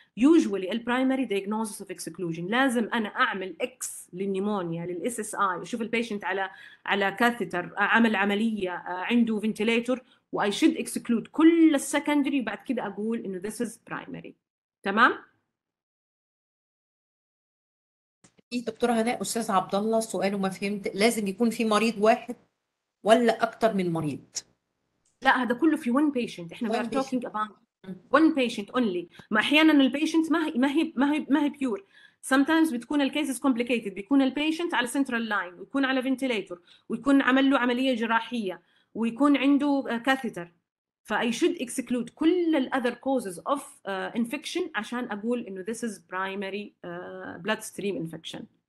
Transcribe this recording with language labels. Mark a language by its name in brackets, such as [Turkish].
[Arabic] usually البرايمري [English] diagnosis of exclusion [Arabic] لازم أنا أعمل X للنيمونيا للإس إس آي وشوف البيشنت على كاثيتر عمل عملية عنده فنتيليتور و [English] I should exclude [Arabic] كل السكندري وبعد كده أقول إنه [English] this is primary. [Arabic] تمام؟ إيه دكتورة هناء أستاذ عبد الله سؤاله ما فهمت, لازم يكون في مريض واحد ولا أكتر من مريض؟ لا هذا كله في [English] one patient. [Arabic] إحنا [English] we are talking about one patient only. [Arabic] ما أحياناً البيشنت ما هي بيور. [English] Sometimes [Arabic] بتكون الكيسز complicated, بيكون البيشنت على [English] central line [Arabic] ويكون على ventilator ويكون عمل له عملية جراحية ويكون عنده كاثيتر. فأي [English] should exclude [Arabic] كل الأذر [English] causes of infection [Arabic] عشان أقول إنه [English] this is primary bloodstream infection.